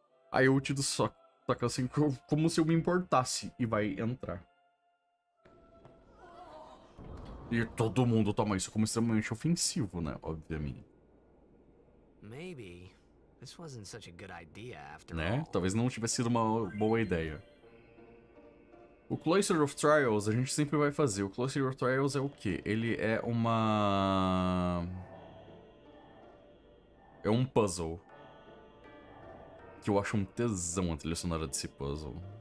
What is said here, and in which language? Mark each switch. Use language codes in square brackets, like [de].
[pt] Aí o Tidus só toca assim, como se eu me importasse, e vai entrar. E todo mundo toma isso como extremamente ofensivo, né? Obviamente. [en] Maybe this wasn't such a good idea after [pt] all. Né? Talvez não tivesse sido uma boa ideia. O Cloister of Trials a gente sempre vai fazer. O Cloister of Trials é o quê? Ele é uma... É um puzzle. Que eu acho um tesão a trilha sonora desse puzzle.